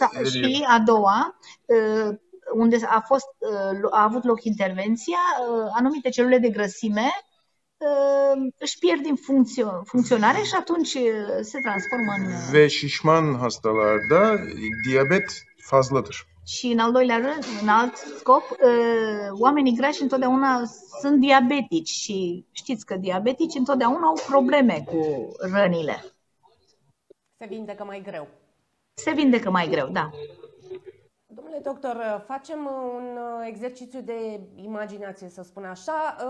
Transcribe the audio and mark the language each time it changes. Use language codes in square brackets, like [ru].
[ro] Și a doua, unde a avut loc intervenția, anumite celule de grăsime își pierd din funcționare și atunci se transformă în... [tr] Ve şişman hastalarda diabet fazladır. [ro] Și în al doilea rând, în alt scop, oamenii grași întotdeauna sunt diabetici și știți că diabetici întotdeauna au probleme cu rănile. Se vindecă mai greu. Se vindecă mai greu, da. Domnule doctor, facem un exercițiu de imaginație, să spun așa.